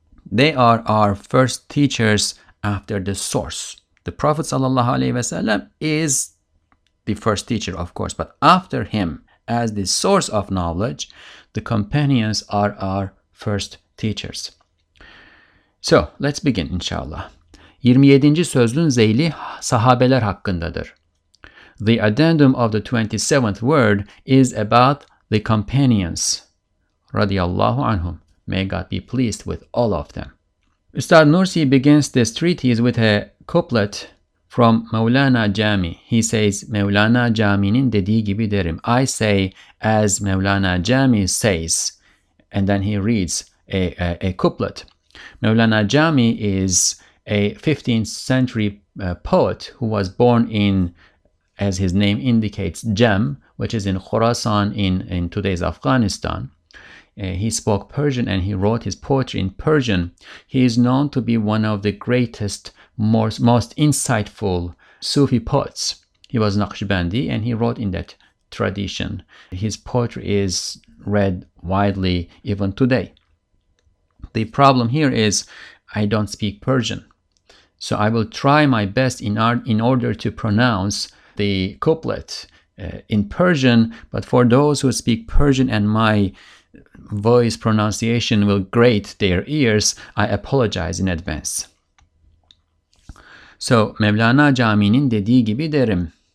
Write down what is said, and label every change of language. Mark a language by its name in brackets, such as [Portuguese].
[English] They are our first teachers after the source. The Prophet sallallahu alaihi wasallam is the first teacher, of course, but after him, as the source of knowledge, the companions are our first teachers. So, let's begin inshallah. 27. [Turkish] Sözlüğün zeyli sahabeler hakkındadır. [English] The addendum of the 27th word is about the companions. [Arabic] Radiyallahu anhum. [English] May God be pleased with all of them. Üstad Nursi begins this treatise with a couplet from Mevlana Cami. He says, [Turkish] Mevlana Cami'nin dediği gibi derim. [English] I say, as Mevlana Cami says. And then he reads a couplet. Mevlana Cami is a 15th century poet who was born in, as his name indicates, Cem, which is in Khorasan in today's Afghanistan. He spoke Persian and he wrote his poetry in Persian. He is known to be one of the greatest, most insightful Sufi poets. He was Naqshbandi and he wrote in that tradition. His poetry is read widely even today. The problem here is I don't speak Persian. So I will try my best in order to pronounce the couplet in Persian. But for those who speak Persian and my voice pronunciation will grate their ears, I apologize in advance. [Turkish] So Mevlana Cami'nin dediği gibi derim.